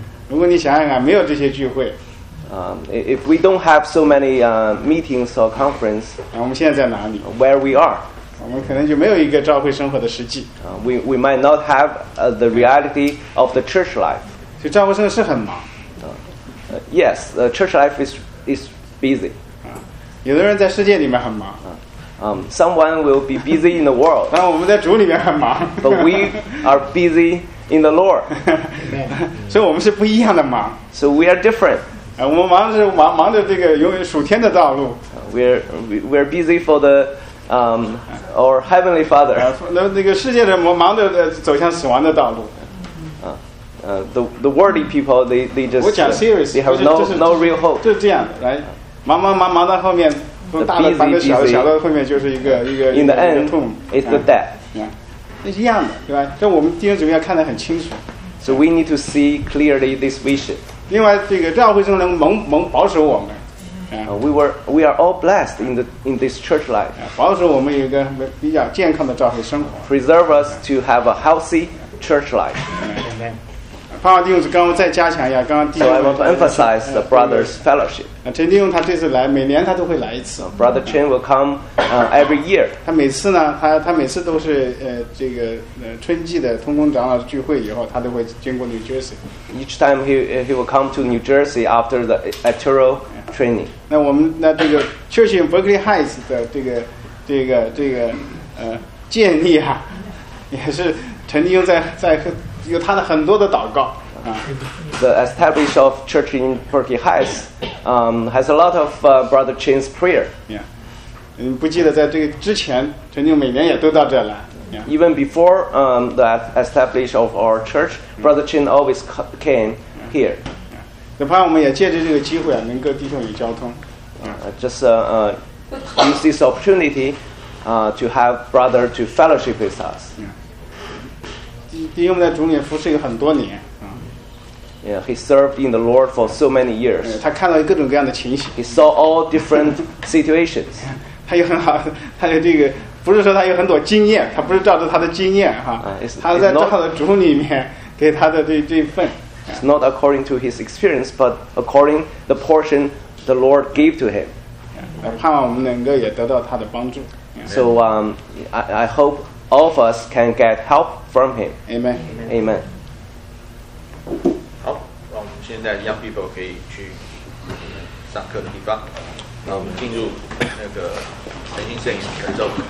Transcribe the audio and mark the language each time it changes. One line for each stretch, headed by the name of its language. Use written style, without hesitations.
Chinese: 如果你想想看，没有这些聚会。
English: If we don't have so many meetings or conference，
Chinese: 我们现在在哪里
English: ？Where we are？
Chinese: 我们可能就没有一个教会生活的实际。
English: We might not have the reality of the church life。
Chinese: 所以教会生活是很忙。
English: Yes, church life is busy。
Chinese: 有的人在世界里面很忙。
English: Someone will be busy in the world。
Chinese: 但我们在主里面很忙。
English: But we are busy in the Lord。
Chinese: 所以我们是不一样的忙。
English: So we are different。
Chinese: 我们忙是忙着这个永远属天的道路。
English: We're busy for the our heavenly Father。
Chinese: 那个世界的忙着的走向死亡的道路。
English: The worldly people they just
Chinese: 我讲 serious，
English: they have no real hope。
Chinese: 就是这样的，来，忙到后面。从大的翻个小到后面就是一个
English: end,
Chinese: 一个痛
English: ，it's the death，
Chinese: 那是一样的，对吧？这我们弟兄姊妹要看得很清楚。
English: So we need to see clearly this vision。
Chinese: 另外，这个教会中能蒙保守我们。
English: We are all blessed in this church life。
Chinese: 保守我们有一个比较健康的教会生活。
English: Preserve us to have a healthy church life。
Chinese: 盼望弟兄刚刚再加强一下，刚刚弟兄。
English: So I want to emphasize the brothers' fellowship。
Chinese: 陈弟兄他这次来，每年他都会来一次。
English: Brother Chen will come every year。
Chinese: 他每次呢，他每次都是这个春季的通工长老聚会以后，他都会经过 New Jersey。
English: Each time he will come to New Jersey after the electoral training。
Chinese: 那我们那这个确信 Berkeley Heights 的这个建立啊，也是陈弟兄在有他的很多的祷告。
English: The establishment of church in Berkeley Heights has a lot of Brother Chen's prayer.
Chinese: Yeah， 不记得在这个之前，陈弟兄每年也都到这来。
English: Yeah. Even before the establishment of our church, Brother Chen always came here.
Chinese: 就盼望我们也借着这个机会啊，能够弟兄与交通。
English: Just use this opportunity to have brother to fellowship with us.
Chinese: 弟兄们在主里服侍有很多年。
English: Yeah, he served in the Lord for so many years.
Chinese: 他看到各种各样的情形。
English: He saw all different situations.
Chinese: 他有很好，他有这个，不是说他有很多经验，他不是照着他的经验哈。他在照着主里面给他的这份。
English: It's not according to his experience, but according the portion the Lord gave to him.
Chinese: 盼望我们能够也得到他的帮助。
English: So I hope all of us can get help from him. Amen. Amen.
Chinese: 现在 young people 可以去上课的地方，那我们进入那个神心圣言传授。